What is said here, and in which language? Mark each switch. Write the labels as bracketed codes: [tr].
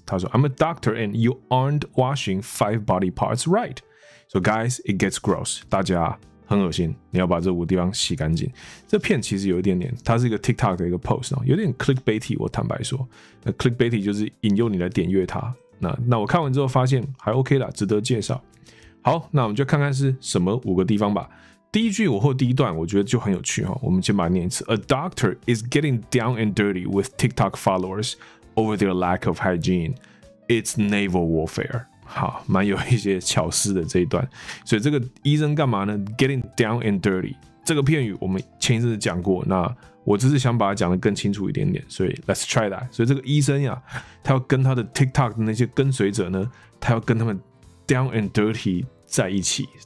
[zh] 她说 [en] I'm a doctor and you aren't washing five body parts right. So guys, it gets gross. [zh] 大家很恶心，你要把这五地方洗干净。这片其实有一点点，它是一个 TikTok 的一个 post， 有点 clickbaity。我坦白说，那 clickbaity 就是引诱你来点阅它。那我看完之后发现还 OK 啦，值得介绍。好，那我们就看看是什么五个地方吧。第一句我或第一段，我觉得就很有趣哈。我们先把它念一次 [en] ：A doctor is getting down and dirty with TikTok followers over their lack of hygiene. It's naval warfare. [zh] 好，蛮有一些巧思的这一段。所以这个医生干嘛呢 ？ [en] Getting down and dirty [zh] 这个片语我们前一阵子讲过，那我只是想把它讲得更清楚一点点。所以 [en] Let's try that。 [zh] 所以这个医生呀，他要跟他的 TikTok 的那些跟随者呢，他要跟他们 down and dirty 在一起。